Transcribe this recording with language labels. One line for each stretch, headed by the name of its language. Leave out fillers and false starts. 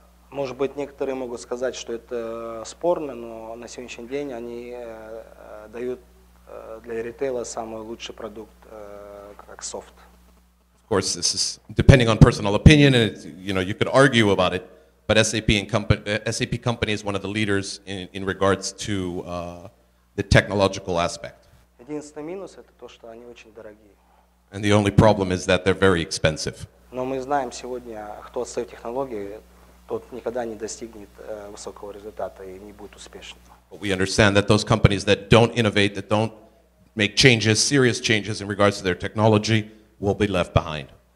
Russian: Может быть, некоторые могут сказать, что это спорно, но на сегодняшний день они дают для ритейла самый лучший продукт как софт.
English: Of course, this is depending on personal opinion, and it's, you know, you could argue about it. But SAP company is one of the leaders in regards to the technological aspect.
Russian: Единственный минус это то, что они очень дорогие.
English: And the only problem is that they're very expensive.
Russian: Но мы знаем сегодня, кто отстает технологии, тот никогда не достигнет высокого результата и не будет успешным.
English: But we understand that those companies that don't innovate, that don't make changes, serious changes in regards to their technology, will be left behind.